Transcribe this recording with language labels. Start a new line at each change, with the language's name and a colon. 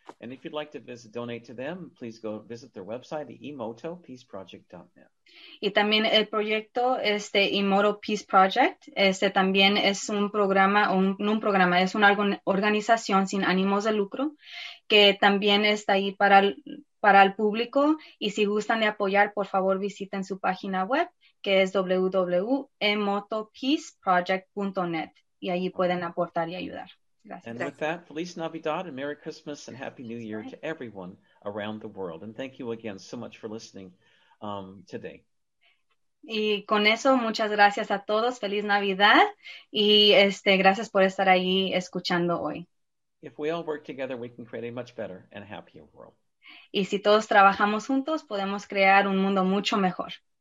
English: And if you'd like to visit, donate to them, please go visit their website, the emotopeaceproject.net.
Spanish: Y también el proyecto este Emoto Peace Project, este también es un programa, un programa, es una organización sin ánimos de lucro que también está ahí para el público. Y si gustan de apoyar, por favor visiten su página web, que es www.emotopeaceproject.net. Y ahí pueden aportar y ayudar. Gracias.
English: And with that,
Spanish: Feliz Navidad
English: and Merry Christmas and Happy New Year to everyone around the world. And thank you again so much for listening today.
Spanish: Y con eso, muchas gracias a todos. Feliz Navidad. Y este, gracias por estar ahí escuchando hoy.
English: If we all work together, we can create a much better and happier world.
Spanish: Y si todos trabajamos juntos, podemos crear un mundo mucho mejor.